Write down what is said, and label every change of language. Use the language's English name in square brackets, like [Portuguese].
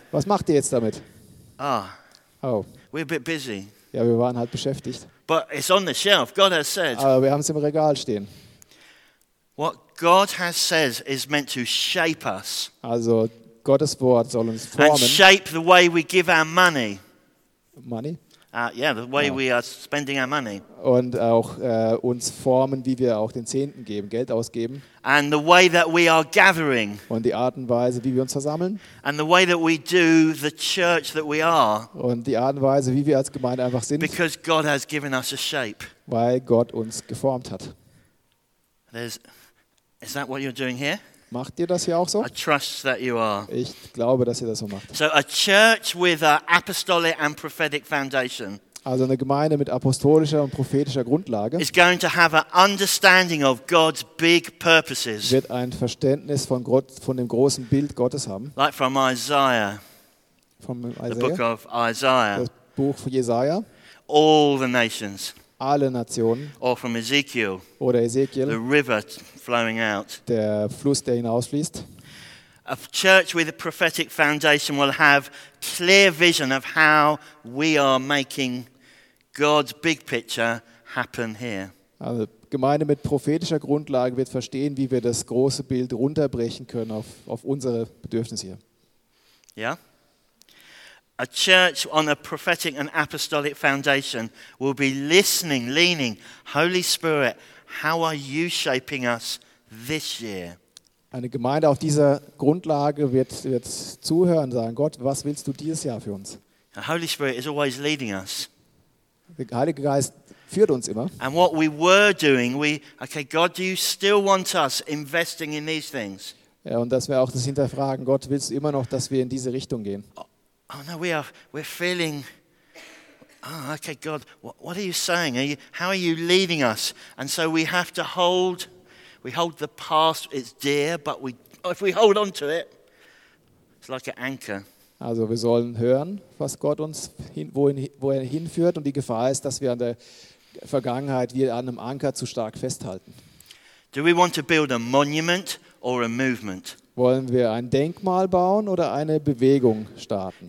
[German] Was macht ihr jetzt damit? Ah. Oh. [English] We're a bit busy. [German] Ja, wir waren halt beschäftigt. [English] But it's on the shelf. God has said. [German] Aber wir haben es im Regal stehen. [English] What God has said is meant to shape us. [German] Also Gottes Wort soll uns formen. [English] And shape the way we give our money. Money? We are spending our money. [German] Und auch uns formen, wie wir auch den Zehnten geben, Geld ausgeben. [English] And the way that we are gathering. [German] Und die Art und Weise, wie wir uns versammeln. [English] And the way that we do the church that we are. [German] Und die Art und Weise, wie wir als Gemeinde einfach sind. [English] Because God has given us a shape. [German] Weil Gott uns geformt hat. [English] Is that what you're doing here? [German] Macht ihr das hier auch so? [English] I trust that you are. [German] Ich glaube, dass ihr das so macht. [English] So a church with an apostolic and prophetic foundation. [German] Also eine Gemeinde mit apostolischer und prophetischer Grundlage. [English] Is going to have an understanding of God's big purposes. [German] Wird ein Verständnis von Gott, von dem großen Bild Gottes haben. [English] Like from Isaiah. [German] Vom Isaiah. [English] The book of Isaiah. [German] Das Buch von Jesaja. [English] All the nations. [German] Alle Nationen. [English] Or from Ezekiel. [German] Oder Ezekiel. [English] The river flowing out. [German] Der Fluss, der hinausfließt. [English] A church with a prophetic foundation will have clear vision of how we are making God's big picture happen here. [German] Also Gemeinde mit prophetischer Grundlage wird verstehen, wie wir das große Bild runterbrechen können auf unsere Bedürfnisse hier. Ja. [English] A church on a prophetic and apostolic foundation will be listening, leaning, Holy Spirit, how are you shaping us this year? [German] Eine Gemeinde auf dieser Grundlage wird zuhören und sagen, Gott, was willst du dieses Jahr für uns? [English] The Holy Spirit is always leading us. [German] Der Heilige Geist führt uns immer. [English] And what we were doing, God, do you still want us investing in these things? [German] Ja, und dass wir auch das hinterfragen, Gott, willst du immer noch, dass wir in diese Richtung gehen? [English] Oh no, we're feeling. Oh, okay, God, what are you saying? How are you leading us? And so we have to hold. We hold the past; it's dear, but if we hold on to it, it's like an anchor. [German] Also, wir sollen hören, was Gott uns wohin hinführt, und die Gefahr ist, dass wir an der Vergangenheit wie an einem Anker zu stark festhalten. [English] Do we want to build a monument or a movement? [German] Wollen wir ein Denkmal bauen oder eine Bewegung starten?